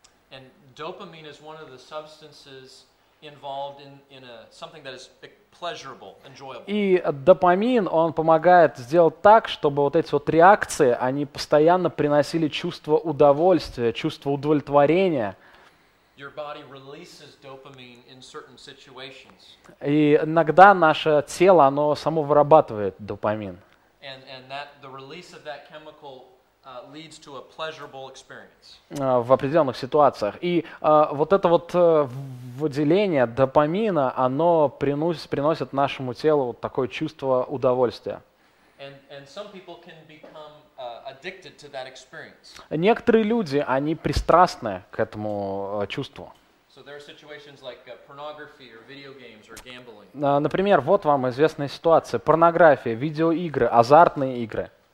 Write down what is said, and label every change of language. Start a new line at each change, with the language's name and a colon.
English: And dopamine is one of the substances involved in a something that is pleasurable, enjoyable.
Russian: И допамин, он помогает сделать так, чтобы вот эти вот реакции, они постоянно приносили чувство удовольствия, чувство удовлетворения.
English: Your body releases dopamine in certain situations.
Russian: И иногда наше тело, оно само вырабатывает допамин.
English: And that the release of that chemical leads to a pleasurable experience.
Russian: В определенных ситуациях. И вот это вот выделение допамина, оно приносит нашему телу вот такое чувство удовольствия.
English: And some people can become addicted to that experience.
Russian: Некоторые люди, они пристрастны к этому чувству.
English: So there are situations like pornography or video games or gambling.
Russian: Например, вот вам известная ситуация. Порнография, видеоигры, азартные игры.